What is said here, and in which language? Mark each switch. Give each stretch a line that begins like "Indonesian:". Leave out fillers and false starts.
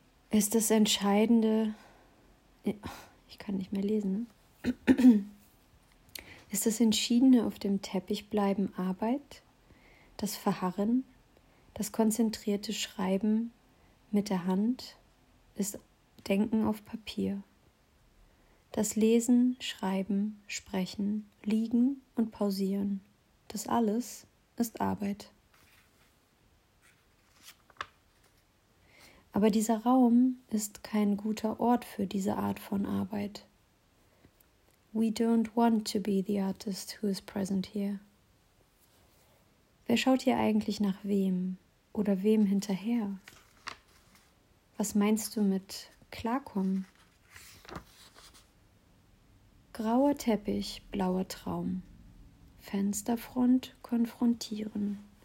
German: Ist das Entscheidende, ich kann nicht mehr lesen, ist das Entschiedene auf dem Teppich bleiben Arbeit, das Verharren, das konzentrierte Schreiben mit der Hand, ist Denken auf Papier, das Lesen, Schreiben, Sprechen, Liegen und Pausieren, das alles ist Arbeit. Aber dieser Raum ist kein guter Ort für diese Art von Arbeit.
English: We don't want to be the artist who is present here.
German: Wer schaut hier eigentlich nach wem oder wem hinterher? Was meinst du mit klarkommen? Grauer Teppich, blauer Traum. Fensterfront konfrontieren.